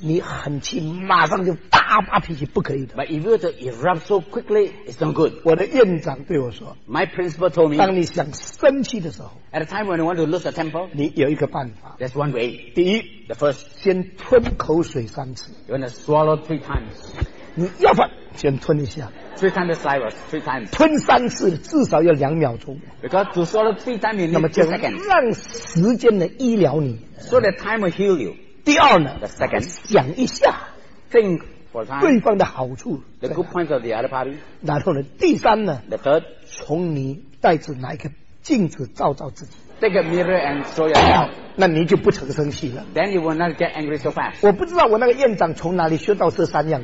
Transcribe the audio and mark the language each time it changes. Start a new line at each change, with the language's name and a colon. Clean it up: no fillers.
Chinese: 你很气，马上就大发脾气，不可以的。
English: But if you to erupt so quickly, it's not good.
Chinese: 我的院长对我说
English: ，my principal told me，
Chinese: 当你想生气的时候
English: ，at a time when you want to lose a temper，
Chinese: 你有一个办法
English: ，that's one way。
Chinese: 第一
English: ，the first，
Chinese: 先吞口水三次
English: ，you want to swallow three times。
Chinese: 你要不先吞一下
English: three times the saliva, three times.
Chinese: 吞三次至少要两秒钟
English: Because to swallow three times you need
Chinese: 那么就
English: two seconds.
Chinese: 让时间呢医疗你
English: So the time will heal you.
Chinese: 第二呢
English: the second.
Chinese: 想一下
English: Think for time.
Chinese: 对方的好处
English: The good points of the other party.
Chinese: 然后呢第三呢
English: The third.
Chinese: 从你带着哪一个镜子照照自己
English: Take a mirror and show yourself.
Chinese: 那你就不成生气了
English: Then you will not get angry so fast.
Chinese: 我不知道我那个院长从哪里学到这三样